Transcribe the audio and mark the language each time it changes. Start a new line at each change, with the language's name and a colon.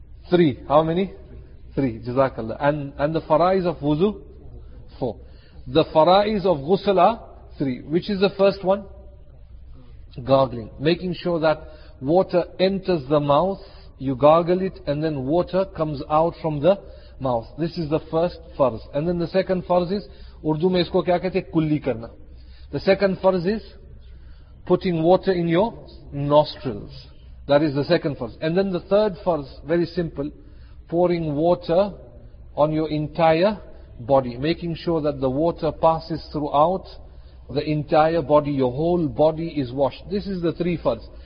English: Three. Jazakallah. And the fara'iz of wudu? Four. The fara'iz of ghusl are three. Which is the first one? Gargling. Making sure that water enters the mouth, you gargle it, and then water comes out from the mouth. This is the first farz. And then the second farz is,
Urdu: Urdu میں اسکو کیا کہتے ہے؟ کلی کرنا۔
English: The second farz is, putting water in your nostrils. That is the second farz. And then the third farz, very simple, pouring water on your entire body, making sure that the water passes throughout the entire body, your whole body is washed. This is the three farz.